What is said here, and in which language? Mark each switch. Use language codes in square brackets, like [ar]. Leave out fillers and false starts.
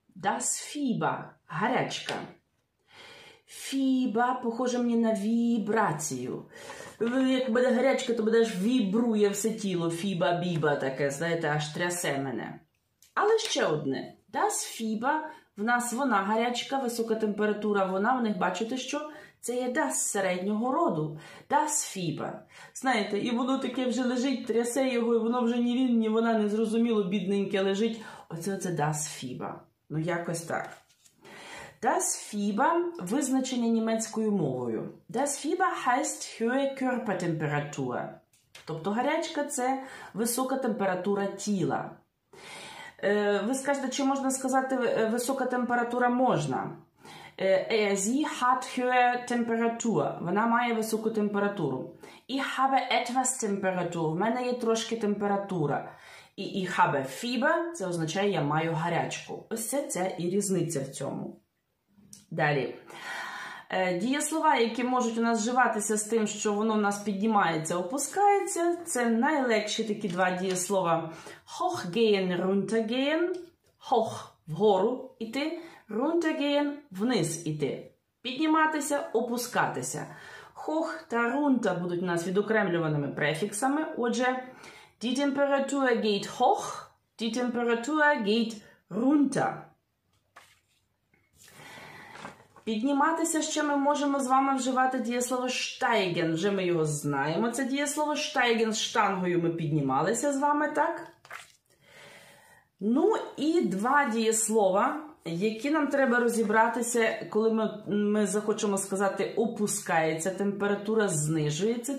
[de] Das Fieber – гарячка. [uk] Фіба похоже мені на вібрацію. Як буде гарячка, то буде аж вібрує все тіло. Фіба-біба таке, знаєте, аж трясе мене. Але ще одне. Das Fieber – в нас вона гарячка, висока температура вона. В них бачите, що це є das середнього роду. [de] Das Fieber. [uk] Знаєте, і воно таке вже лежить, трясе його, і воно вже ні він, ні вона, незрозуміло, бідненьке лежить. Оце das Fieber. Ну, якось так. Das Fieber – визначення німецькою мовою. [de] Das Fieber heißt höhe Körpertemperatur. [uk] Тобто гарячка – це висока температура тіла. Ви скажете, чи можна сказати висока температура? Можна. [de] Sie hat höhe Temperatur. [uk] Вона має високу температуру. [de] Ich habe etwas Temperatur. [uk] В мене є трошки температура. І [de] habe Fieber [uk] – це означає, я маю гарячку. Ось це і різниця в цьому. Далі. Дієслова, які можуть у нас вживатися з тим, що воно в нас піднімається, опускається, це найлегші такі два дієслова. [de] Hochgehen, runtergehen. [uk] Hoch – вгору іти. Runtergehen – вниз іти. Підніматися, опускатися. Hoch та runter будуть у нас відокремлюваними префіксами. Отже, [de] die Temperatur geht hoch, die Temperatur geht runter. [uk] Підніматися ще ми можемо з вами вживати дієслово steigen. Вже ми його знаємо, це дієслово steigen. З штангою ми піднімалися з вами, так? Ну і два дієслова, які нам треба розібратися, коли ми захочемо сказати опускається, температура знижується.